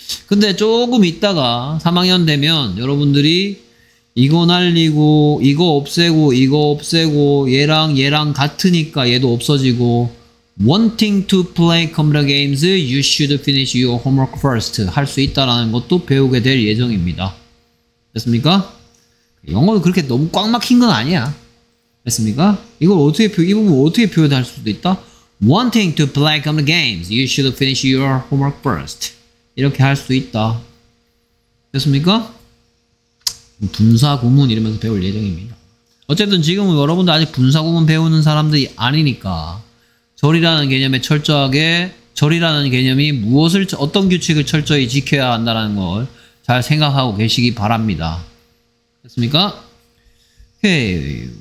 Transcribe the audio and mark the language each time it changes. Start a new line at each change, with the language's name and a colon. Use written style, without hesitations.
Korean: 근데 조금 있다가 3학년 되면 여러분들이 이거 날리고 이거 없애고 이거 없애고 얘랑 얘랑 같으니까 얘도 없어지고
English: Wanting to play computer games, you should finish your homework first.
Korean: 할 수 있다라는 것도 배우게 될 예정입니다. 됐습니까? 영어도 그렇게 너무 꽉 막힌 건 아니야. 됐습니까? 이걸 어떻게 표, 이 부분 어떻게 표현할 수도 있다?
English: Wanting to play computer games, you should finish your homework first.
Korean: 이렇게 할 수 있다. 됐습니까? 분사 구문 이러면서 배울 예정입니다. 어쨌든 지금은 여러분들 아직 분사 구문 배우는 사람들이 아니니까. 절이라는 개념에 철저하게 절이라는 개념이 무엇을 어떤 규칙을 철저히 지켜야 한다는 걸 잘 생각하고 계시기 바랍니다. 됐습니까? 오케이.